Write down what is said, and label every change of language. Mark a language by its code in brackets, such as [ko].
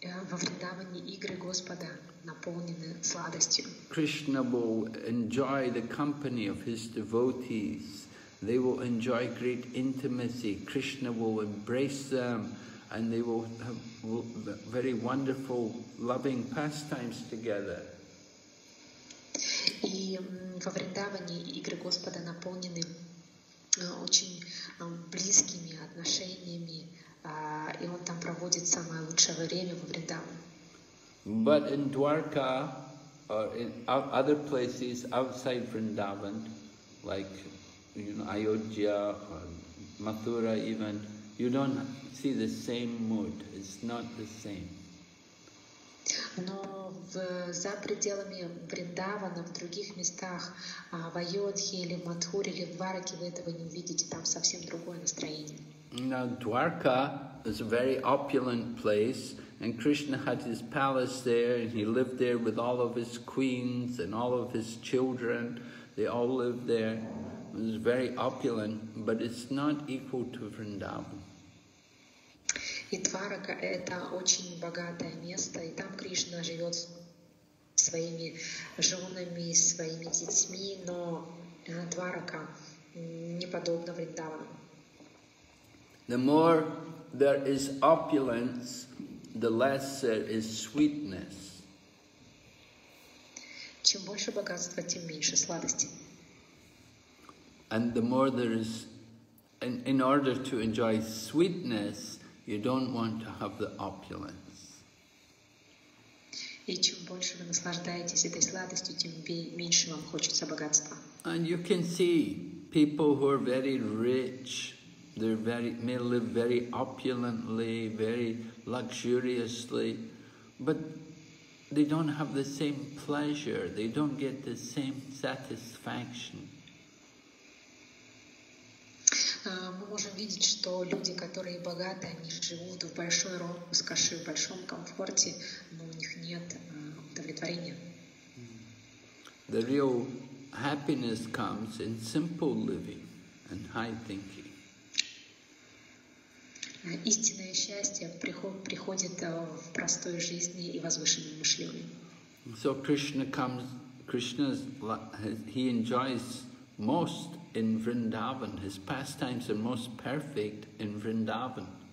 [ru] Во Вриндаване игры Господа наполнены сладостью. [en] Krishna will enjoy the company of his devotees. They will enjoy great intimacy. Krishna will embrace them, and they will have very wonderful, loving pastimes together. [ru] И во Вриндаване игры Господа наполнены очень близкими отношениями, и он там проводит самое лучшее время во Вриндаване. [en] But in Dwarka or in other places outside Vrindavan, like you know, Ayodhya or Mathura even, you don't see the same mood. It's not the same. [ru] Но за пределами Вриндавана, в других местах, в Айодхе или в Мадхуре или в Двараке, вы этого не увидите, там совсем другое настроение. [en] Now, Dwarka is a very opulent place, and Krishna had his palace there, and he lived there with all of his queens and all of his children. They all lived there. It was very opulent, but it's not equal to Vrindavan. [ru] И Дварака – это очень богатое место, и там Кришна живет своими женами, своими детьми, но Дварака не подобна Вриндавану. [en] The more there is opulence, the less there is sweetness. [ru] Чем больше богатства, тем меньше сладости. [en] And the more there is, in order to enjoy sweetness, you don't want to have the opulence. [ru] И чем больше вы наслаждаетесь этой сладостью, тем меньше вам хочется богатства. [en] And you can see people who are very rich, may live very opulently, very luxuriously, but they don't have the same pleasure, they don't get the same satisfaction. [ru] Мы можем видеть, что люди, которые богаты, они живут в большой роскоши, в большом комфорте, но у них нет удовлетворения. [en] The real happiness comes in simple living and high thinking. [ru] Истинное счастье приходит в простой жизни и возвышенном мышлении. [en] So Krishna comes, he enjoys most in Vrindavan, his pastimes are most perfect in Vrindavan.